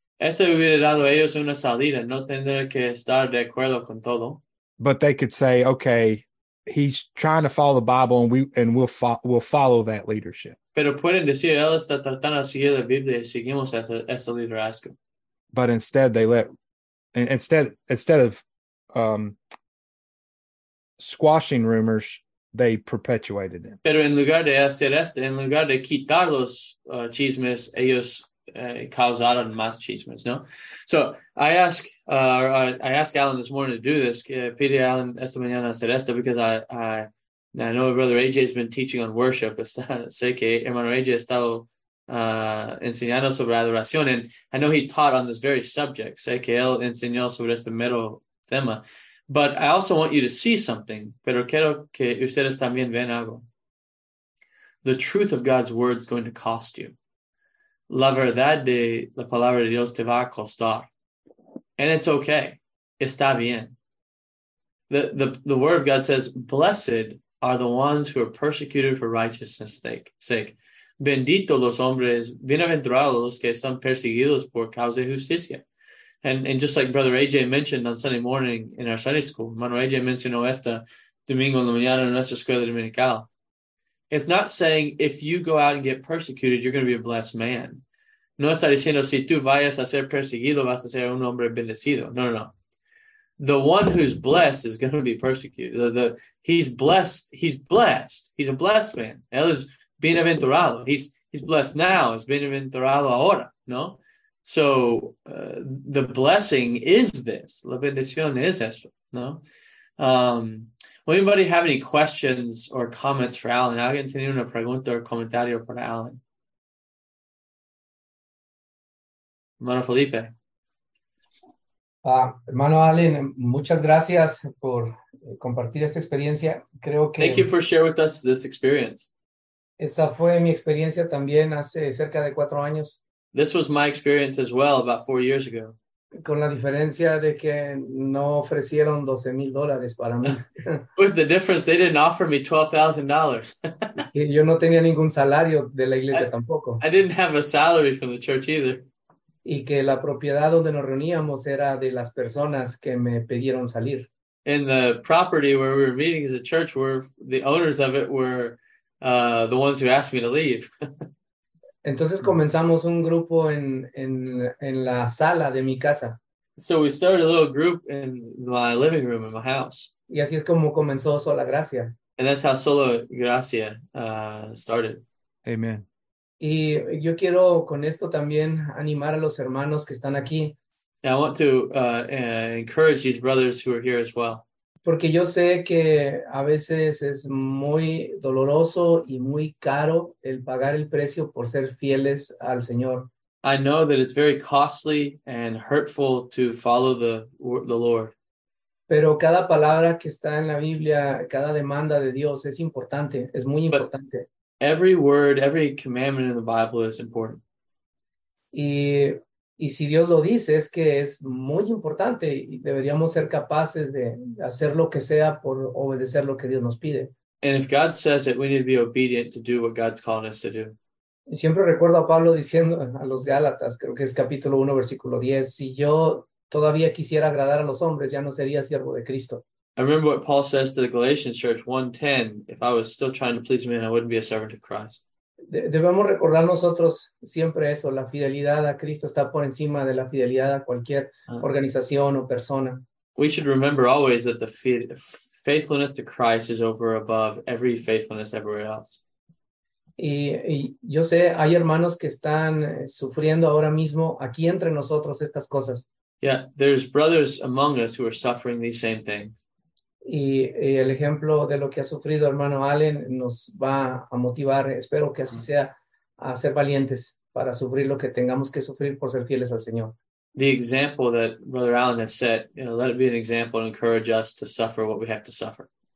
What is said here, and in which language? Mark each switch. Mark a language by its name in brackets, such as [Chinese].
[Spanish] Eso hubiera dado a ellos una salida, no tendría que estar de acuerdo con todo. [English] But they could say, okay, he's trying to follow the Bible and we'll follow that leadership. [Spanish] Pero pueden decir, él está tratando de seguir la Biblia y seguimos ese liderazgo. [English] But instead they let, instead of squashing rumors, they perpetuated them. [Spanish] Pero en lugar de hacer esto, en lugar de quitar los chismes, ellos causaron más chismes, ¿no? [English] So I asked Alan this morning to do this, [Spanish] pide Alan esta mañana hacer esto, [English] because I know Brother AJ has been teaching on worship. [Spanish] Sé que hermano AJ ha estado enseñando sobre adoración, [English] and I know he taught on this very subject. [Spanish] Sé que él enseñó sobre este mero tema. [English] But I also want you to see something, [Spanish] pero quiero que ustedes también vean algo. [English] The truth of God's word is going to cost you. [Spanish] La verdad de la palabra de Dios te va a costar. [English] And it's okay. [Spanish] Está bien. [English] The word of God says, blessed are the ones who are persecuted for righteousness' sake. [Spanish] Bendito los hombres, bienaventurados los que están perseguidos por causa de justicia. [English] And just like Brother AJ mentioned on Sunday morning in our Sunday school, [Spanish] Mano AJ mencionó esta domingo en la mañana en nuestra escuela dominical. [English] It's not saying if you go out and get persecuted, you're going to be a blessed man. [Spanish] No está diciendo si tú vayas a ser perseguido, vas a ser un hombre bendecido. No, no, no. [English] The one who's blessed is going to be persecuted. He's blessed. He's a blessed man. [Spanish] Él es bienaventurado. [English] He's blessed now. [Spanish] Es bienaventurado ahora, ¿no? [English] So the blessing is this. [Spanish] La bendición es esto, ¿no? [English] Will anybody have any questions or comments for Alan? [Spanish] ¿Alguien tiene una pregunta o comentario para Alan? Hermano Felipe. Hermano Alan, muchas gracias por compartir esta experiencia. Creo que... [English] Thank you for sharing with us this experience. [Spanish] Esa fue mi experiencia también hace cerca de 4 años. [English] This was my experience as well about 4 years ago. [Spanish] Con la diferencia de que no ofrecieron $12,000 para mí. [English] With the difference, they didn't offer me $12,000. [Spanish] Yo no tenía ningún salario de la iglesia tampoco. [English] I didn't have a salary from the church either. [Spanish] Y que la propiedad donde nos reuníamos era de las personas que me pidieron salir. [English] And the property where we were meeting as a church, were the owners of it were the ones who asked me to leave. [Spanish] Entonces comenzamos un grupo en la sala de mi casa. [English] So we started a little group in my living room in my house. [Spanish] Y así es como comenzó Sola Gracia. [English] And that's how Sola Gracia started. Amen. [Spanish] Y yo quiero con esto también animar a los hermanos que están aquí. [English] And I want to encourage these brothers who are here as well. [Spanish] Porque yo sé que a veces es muy doloroso y muy caro el pagar el precio por ser fieles al Señor. [English] I know that it's very costly and hurtful to follow the Lord. [Spanish] Pero cada palabra que está en la Biblia, cada demanda de Dios es importante, es muy importante. [English] But every word, every commandment in the Bible is important. [Spanish] Y si Dios lo dice, es que es muy importante y deberíamos ser capaces de hacer lo que sea por obedecer lo que Dios nos pide. [English] And if God says it, we need to be obedient to do what God's calling us to do. [Spanish] Y siempre recuerdo a Pablo diciendo a los Gálatas, creo que es capítulo 1, versículo 10, si yo todavía quisiera agradar a los hombres, ya no sería siervo de Cristo. [English] I remember what Paul says to the Galatians church, 1:10, if I was still trying to please men, I wouldn't be a servant of Christ. [Spanish] Debemos recordar nosotros siempre eso, la fidelidad a Cristo está por encima de la fidelidad a cualquier organización o persona. [English] We should remember always that the faithfulness to Christ is over above every faithfulness everywhere else. [Spanish] Y yo sé, hay hermanos que están sufriendo ahora mismo aquí entre nosotros estas cosas. [English] Yeah, there's brothers among us who are suffering these same things. [Spanish] Y el ejemplo de lo que ha sufrido hermano Allen nos va a motivar, espero que así sea, a ser valientes para sufrir lo que tengamos que sufrir por ser fieles al Señor. [English] The example that Brother Allen has set, you know, let it be an example and encourage us to suffer what we have to suffer.